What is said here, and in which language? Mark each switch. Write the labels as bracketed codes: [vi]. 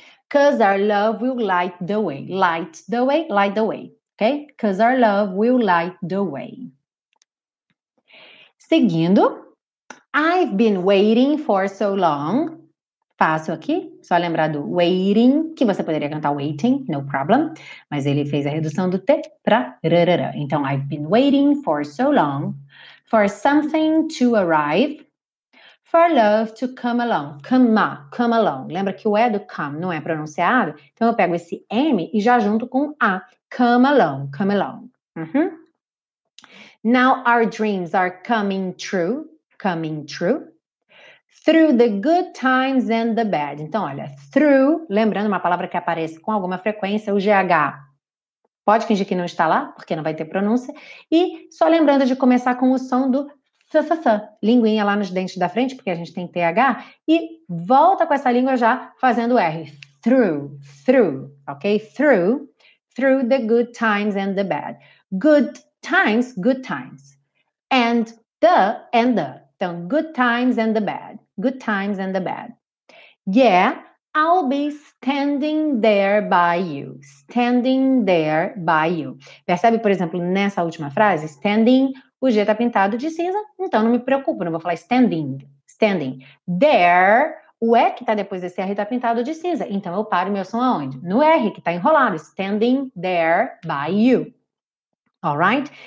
[en] Cause our love will light the way. Light the way, ok? Cause our love will light the way. Seguindo. I've been waiting for so long. [pt] Fácil aqui. Só lembrar do waiting, que você poderia cantar waiting, no problem. Mas ele fez a redução do T pra rarara. Então, I've been waiting for so long for something to arrive. [en] for love to come along. Come along. [pt] Lembra que o E do come não é pronunciado? Então, eu pego esse M e já junto com A. [en] Come along, come along. Uh-huh. Now our dreams are coming true, coming true. Through the good times and the bad. [pt] Então, olha, through, lembrando uma palavra que aparece com alguma frequência, o GH. Pode fingir que não está lá, porque não vai ter pronúncia. E só lembrando de começar com o som do ffff, linguinha lá nos dentes da frente, porque a gente tem TH. E volta com essa língua já fazendo R. [en] Through, through, ok? Through, through the good times and the bad. Good times, good times. And the. Então, good times and the bad. Good times and the bad. Yeah, I'll be standing there by you. Standing there by you. [pt] Percebe, por exemplo, nessa última frase, standing, o G tá pintado de cinza, então não me preocupo, não vou falar standing. Standing. There, o E que tá depois desse R tá pintado de cinza, então eu paro meu som aonde? [en] No R, que tá enrolado. Standing there by you. All right?